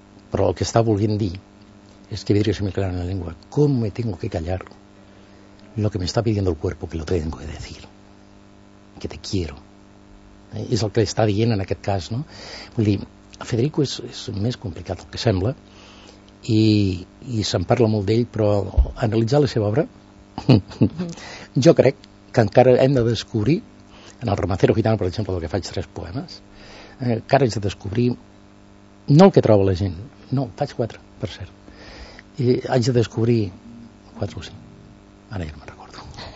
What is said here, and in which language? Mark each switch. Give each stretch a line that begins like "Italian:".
Catalan: però el que està volent dir és que
Spanish: vidrios se me clavan en la lengua. Com me tengo que callar lo que me está pidiendo el cuerpo que lo tengo que decir, que te quiero.
Catalan: És el que està dient en aquest cas, no? Vull dir, Federico és més complicat del que sembla i se'n parla molt d'ell, però analitzar la seva obra jo crec que encara hem de descobrir, en el Romancero Gitano, per exemple, del que faig tres poemes, encara haig de descobrir no el que troba la gent, no, faig quatre, per cert, i haig de descobrir quatre o cinc, ara ja me'n recordo.